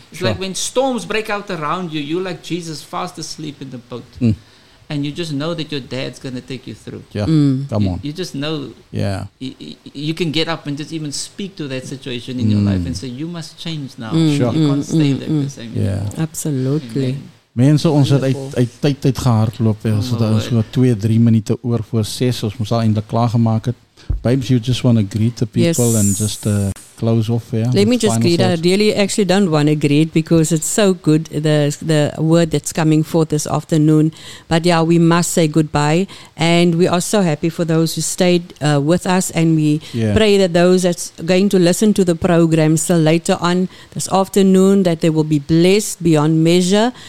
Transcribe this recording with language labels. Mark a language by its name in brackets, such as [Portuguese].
[English] It's like when storms break out around you, you're like Jesus fast asleep in the boat. And you just know that your dad's going to take you through. You just know. You can get up and just even speak to that situation in your life and say, you must change now. You can't stay there the same. Absolutely. Amen. [Afrikaans] Mense, ons het uit tyd gehardloop, ons het ons so 2-3 minute oor voor 6, ons moes al eindelijk klaargemaak het. [English] Babes, you just want to greet the people and just close off. Let me just greet, thoughts. I really actually don't want to greet because it's so good, the word that's coming forth this afternoon. But yeah, we must say goodbye, and we are so happy for those who stayed with us, and we pray that those that's going to listen to the program still later on this afternoon, that they will be blessed beyond measure.